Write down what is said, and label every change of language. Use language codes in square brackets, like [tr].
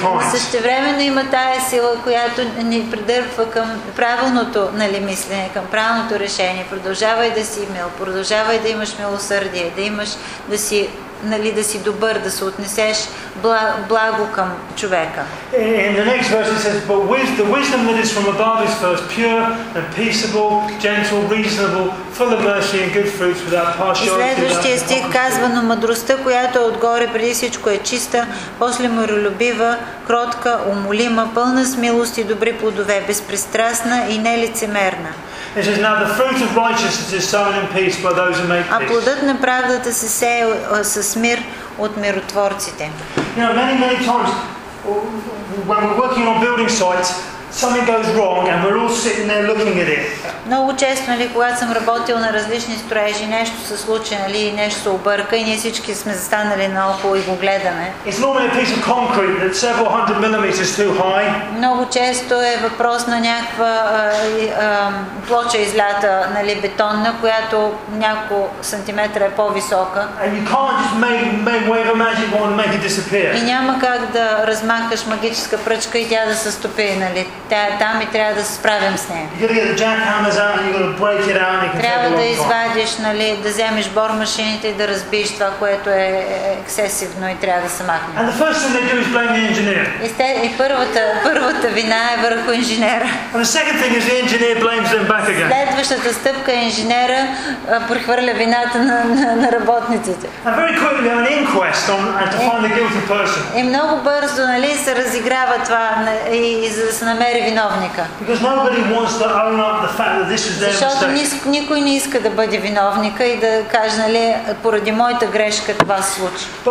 [bg] Същевременно има тая сила, която ни придърпва към правилното, нали, мислене, към правилното решение. Продължавай да си мил, продължавай да имаш милосърдие, да имаш, да си, нали, да си добър, да се отнесеш благо към човека. [en] In the next verse it says, but with the wisdom that is from above is first pure and peaceable, gentle, reasonable, full of mercy and good fruits without partiality. [bg] И следващия стих казва, но мъдростта, която е отгоре, преди всичко е чиста, после миролюбива, кротка, умолима, пълна с милост и добри плодове, безпристрастна и нелицемерна. [en] It says, now the fruit of righteousness is sown in peace by those who make peace. [bg] А плодът на правдата се сее с мир от миротворците. [en] You know, many times when we're working on building sites, something goes wrong and we're all sitting there looking at it. [bg] Много често, нали, когато съм работил на различни строежи, нещо се случи, нали, нещо се обърка и ние всички сме застанали наоколо и го гледаме. [en] It's normally a piece of concrete that's several hundred millimeters too high. [bg] Много често е въпрос на някаква плоча излята, нали, бетонна, която няколко сантиметра е по-висока. [en] And you can't just make wave a magic wand and make it disappear. [bg] И няма как да размахаш магическа пръчка и тя да се стопи, нали. Там и трябва да се справим с нея. [en] You're gonna get the jackhammers out and you're gonna break it out and you can take it off. [bg] Трябва да извади правиш, нали, да вземеш бор машините и да разбиеш това, което е ексесивно и трябва да се махне. [en] And the first thing they do is blame the engineer. [bg] И първата вина е върху инженера. [en] And the second thing is the engineer blames them back again. [bg] Следващата стъпка е инженера прехвърля вината на работниците. [en] And very quickly an inquest on to find the guilty person. [bg] И много бързо, нали, се разиграва това и за да се намери виновника. [en] Because nobody wants to own up the fact that this is their mistake. [bg] Никой не иска да бъде виновника и да каже, нали, поради моята грешка това се случи.